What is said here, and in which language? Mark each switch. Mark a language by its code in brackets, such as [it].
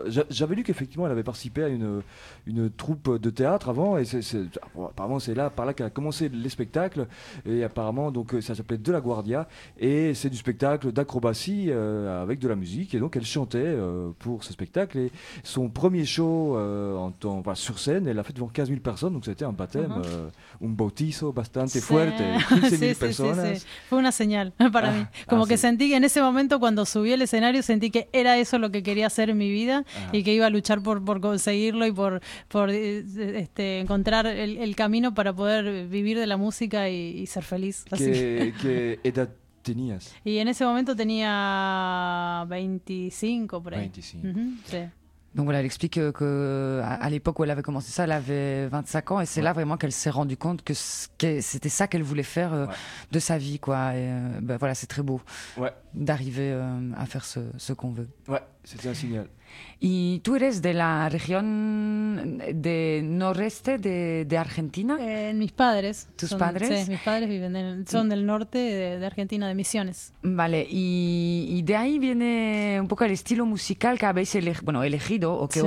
[fr] j'avais lu qu'effectivement elle avait participé à une troupe de théâtre avant, et apparemment c'est par là qu'elle a commencé les spectacles, et apparemment donc ça s'appelait De la Guardia, et c'est du spectacle d'acrobatie avec de la musique, et donc elle chantait pour ce spectacle, et son premier show sur scène, elle l'a fait devant 15 000 personnes, donc c'était un baptême, [es] un bautizo bastante fuerte, [fr] 15 000 personnes. [es] Fue una señal para mí, como que sentí sentí que en ese momento cuando subí al escenario sentí que era eso lo que quería hacer en mi vida. Ajá. Y que iba a luchar por conseguirlo y por encontrar el camino para poder vivir de la música y ser feliz. ¿Qué edad tenías? Y en ese momento tenía 25 por ahí. 25. Uh-huh, sí. [fr] Donc voilà, elle explique qu'à l'époque où elle avait commencé ça, elle avait 25 ans, et c'est ouais. là vraiment qu'elle s'est rendue compte que c'était ça qu'elle voulait faire ouais. de sa vie, quoi. Et ben voilà, c'est très beau ouais. d'arriver à faire ce qu'on veut. Ouais, c'était un signal. [es] Y tú eres de la región de noreste de Argentina. Mis padres. Tus son, padres. Sí, mis padres viven son del norte de Argentina, de Misiones. Vale, y de ahí viene un poco el estilo musical que habéis elegido o que sí.